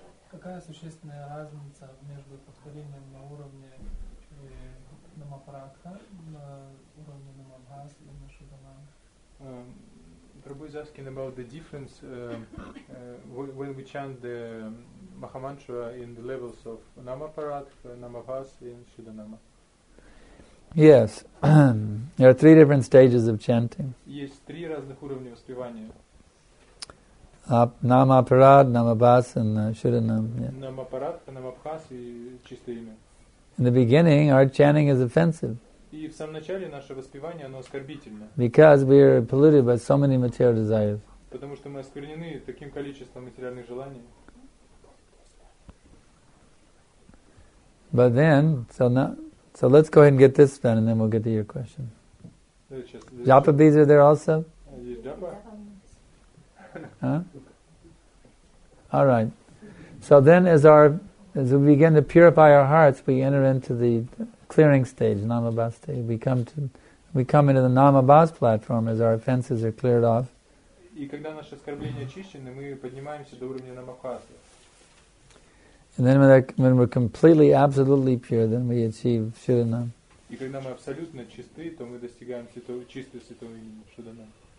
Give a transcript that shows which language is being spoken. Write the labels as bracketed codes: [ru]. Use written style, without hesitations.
[ru] Какая существенная разница между повторением на уровне намапракха, на уровне намабхас и на шудамана? [en] Prabhu is asking about the difference when we chant the Mahamantra in the levels of Namaparat, Namavas, and Shudanama. Yes, there are three different stages of chanting. [ru] Есть три разных уровня воспевания. [en] Namaparat, Namavas, and Shudanam. Namaparat, Namavas, and [ru] чистое имя. [en] In the beginning, our chanting is offensive. [ru] И в самом начале наше воспевание, оно оскорбительно. [en] Because we are polluted by so many material desires. [ru] Потому что мы осквернены таким количеством материальных желаний. [en] But then, so let's go ahead and get this done, and then we'll get to your question. Japa beads are there also? [ru] Есть japa. [en] Huh? All right. So then as we begin to purify our hearts, we enter into the clearing stage, Namabhas stage. We come into the Namabhas platform as our offenses are cleared off. [ru] И когда наши оскорбления очищены, мы поднимаемся до уровня Намабхасы. [en] And then when we're completely, absolutely pure, then we achieve Шуданам. [ru] И когда мы абсолютно чисты, то мы достигаем чистого святого имени Шуданам.